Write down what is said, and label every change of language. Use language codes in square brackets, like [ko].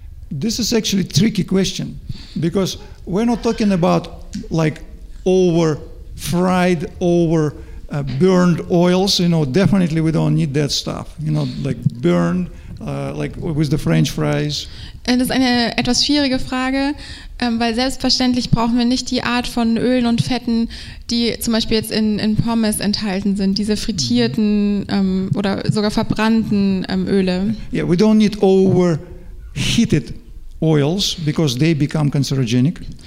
[en] This is actually a tricky question, because we're not talking about like over fried, over burned oils. You know, definitely we don't need that stuff. You know, like burned. Like with the French fries. [de] Das ist eine etwas schwierige Frage, weil selbstverständlich brauchen wir nicht die Art von Ölen und Fetten, die zum Beispiel jetzt in Pommes enthalten sind, diese frittierten oder sogar verbrannten Öle. [en] Yeah, we don't need overheated oils because they become carcinogenic.